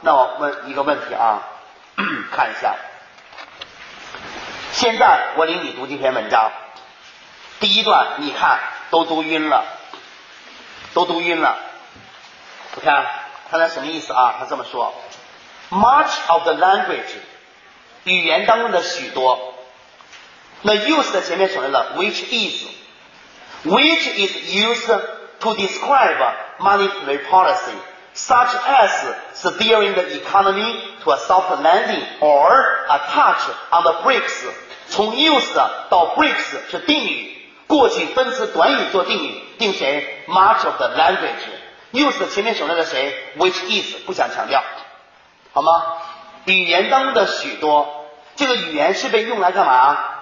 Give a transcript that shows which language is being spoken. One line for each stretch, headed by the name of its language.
Chinese: 那我问一个问题啊，看一下，现在我领你读这篇文章，第一段你看都读晕了，都读晕了。我看看他什么意思啊？他这么说
English: Much of the language
Chinese: 语言当中的许多。
English: 那 use
Chinese: 的前面省略了
English: which is， which is used to describe monetary policy such as steering the economy to a soft landing or a touch on the brakes。
Chinese: 从 use 到 brakes 是定语，过去分词短语做定语，定谁
English: much of the language。
Chinese: use 前面省略了谁 which is， 不想强调好吗？语言当中的许多，这个语言是被用来干嘛？